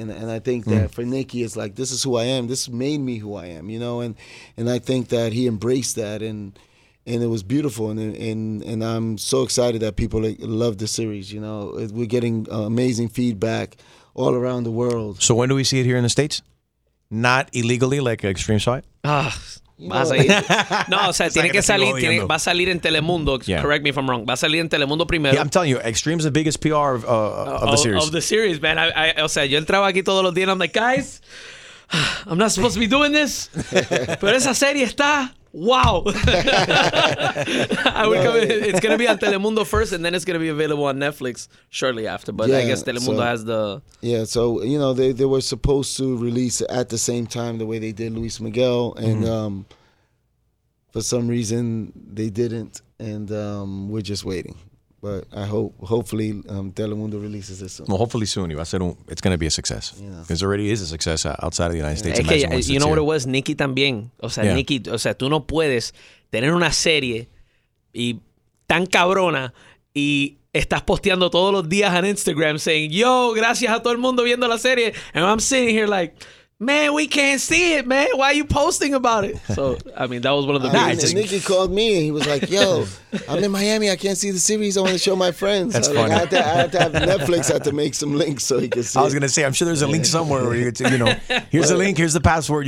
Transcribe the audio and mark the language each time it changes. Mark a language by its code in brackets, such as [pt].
[en] And I think that for Nicky, it's like, this is who I am. This made me who I am, you know. And I think that he embraced that. And it was beautiful. And I'm so excited that people love the series. You know, we're getting amazing feedback all around the world. So when do we see it here in the States? Not illegally, like Extreme saw it? [es] No, o sea, tiene que salir, va a salir en Telemundo. [en] Yeah. Correct me if I'm wrong. [es] Va a salir en Telemundo primero. [en] Yeah, I'm telling you, Extreme's the biggest PR of the series. Of the series, man. [es] O sea, yo entraba aquí todos los días [en] and I'm like, guys, I'm not supposed to be doing this. [es] Pero esa serie está... [en] Wow. It's going to be on Telemundo first, and then it's going to be available on Netflix shortly after. But yeah, I guess Telemundo has the... Yeah, so, you know, they were supposed to release at the same time the way they did Luis Miguel. And for some reason, they didn't. And we're just waiting. But I hopefully Telemundo releases this soon. Well, hopefully soon. It's going to be a success. Because it already is a success outside of the United States. You know what it was? Nicky también. [es] O sea, Nicky, o sea, tú no puedes tener una serie y tan cabrona y estás posteando todos los días [en] on Instagram saying, [es] yo, gracias a todo el mundo viendo la serie. [en] And I'm sitting here like... Man, we can't see it, man. Why are you posting about it? So, I mean, that was one of the biggest. Nicky called me and he was like, yo, I'm in Miami. I can't see the series. I want to show my friends. That's so funny. Like, I have to have Netflix. I have to make some links so he can see it. I was going to say, I'm sure there's a link somewhere where you know, here's the link, here's the password.